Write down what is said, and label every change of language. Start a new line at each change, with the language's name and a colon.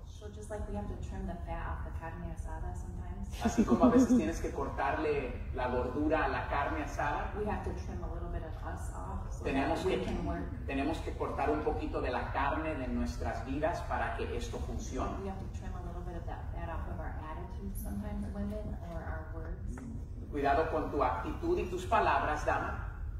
English: So just like we have to trim the fat off the carne asada sometimes.
Spanish: Así como a veces tienes que cortarle la gordura a la carne asada.
English: We have to trim a little bit of us off. So
Spanish: tenemos que cortar un poquito de la carne de nuestras vidas para que esto funcione.
English: We have to trim a little bit of that fat off of our attitudes sometimes, women, or our words.
Spanish: Cuidado con tu actitud y tus palabras, dama.